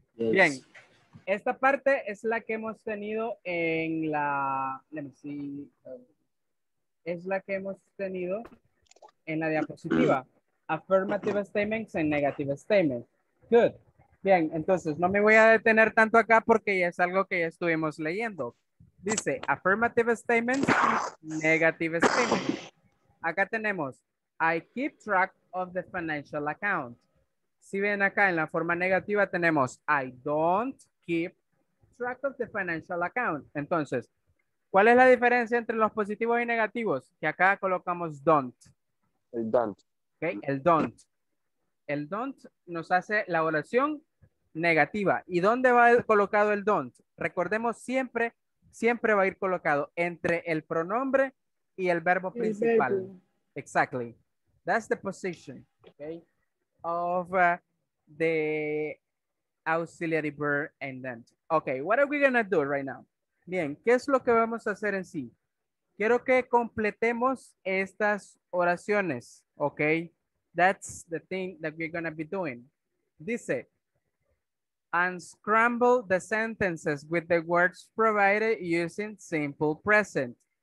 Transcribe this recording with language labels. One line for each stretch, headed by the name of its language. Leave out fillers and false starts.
Spanish: Bien, esta parte es la que hemos tenido en la,
English: let me see,
Spanish: es la que hemos tenido en la diapositiva.
English: Affirmative statements and negative statements. Good.
Spanish: Bien, entonces no me voy a detener tanto acá porque ya es algo que ya estuvimos leyendo.
English: Dice affirmative statements, negative statements.
Spanish: Acá tenemos,
English: I keep track of the financial account.
Spanish: Si ven acá en la forma negativa tenemos,
English: I don't keep track of the financial account.
Spanish: Entonces, ¿cuál es la diferencia entre los positivos y negativos? Que acá colocamos don't. El don't. Okay, el don't. El don't nos hace la oración negativa. ¿Y dónde va colocado el don't? Recordemos, siempre, siempre va a ir colocado entre el pronombre y el verbo principal. El verbo. Exactly.
English: That's the position, okay, of the auxiliary verb and then. Okay, what are we going to do right now?
Spanish: Bien, ¿qué es lo que vamos a hacer en sí? Quiero que completemos estas oraciones, okay?
English: That's the thing that we're going to be doing. Dice, unscramble the sentences with the words provided using simple present.